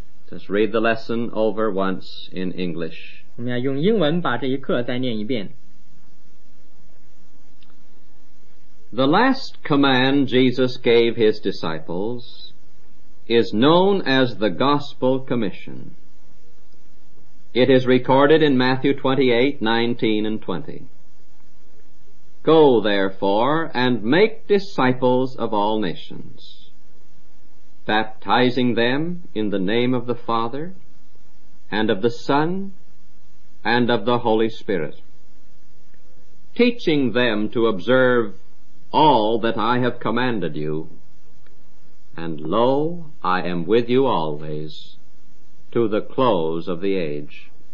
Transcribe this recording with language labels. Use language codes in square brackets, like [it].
[en] Let's read the lesson over once in English. [zh] 我们要用英文把这一课再念一遍。 [en] The last command Jesus gave his disciples is known as the Gospel Commission. It is recorded in Matthew 28:19-20. Go, therefore, and make disciples of all nations, baptizing them in the name of the Father, and of the Son, and of the Holy Spirit, teaching them to observe all that I have commanded you, and lo, I am with you always, to the close of the age.